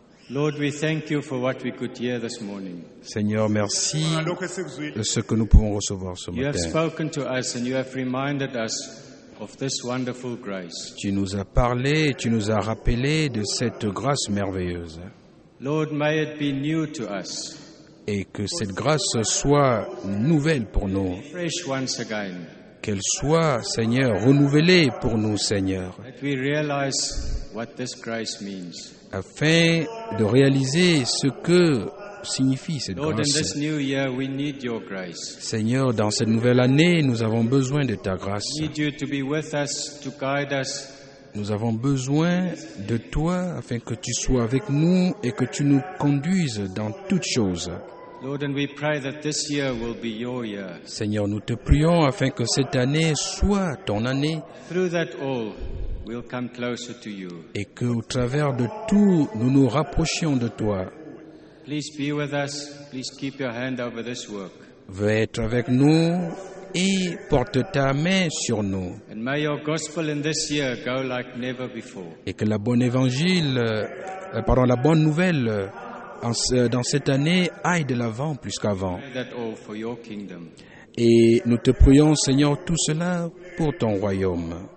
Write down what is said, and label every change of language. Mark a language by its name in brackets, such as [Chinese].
[English] Lord, we thank you for what we could hear this morning. [French] Seigneur, merci de ce que nous pouvons recevoir ce matin. [English] You have spoken to us and you have reminded us of this wonderful grace. [French] Tu nous as parlé, tu nous as rappelé de cette grâce merveilleuse. [English] Lord, may it be new to us. [French] Et que cette grâce soit nouvelle pour nous. [English] Fresh once again. [French] Qu'elle soit, Seigneur, renouvelée pour nous, Seigneur. [English] That we realize what this grace means. [French] Afin de réaliser ce que signifie cette [English] Lord, [French] grâce. [English] In this new year, we need your grace. [French] Seigneur, dans cette nouvelle année, nous avons besoin de ta grâce. [English] We need you to be with us, to guide us. [French] Nous avons besoin de toi afin que tu sois avec nous et que tu nous conduises dans toutes choses. [English] Lord, and we pray that this year will be your year. [French] Seigneur, nous te prions afin que cette année soit ton année. [English] Through that all, we'll come closer to you. [French] Et qu'au travers de tout, nous nous rapprochions de toi. [English] Please be with us. Please keep your hand over this work. [French] Veux être avec nous et porte ta main sur nous. [English] And may your gospel in this year go like never before. [French] Et que la bonne nouvelle dans cette année aille de l'avant plus qu'avant. [English] Pray that all for your kingdom. [French] Et nous te prions, Seigneur, tout cela pour ton royaume.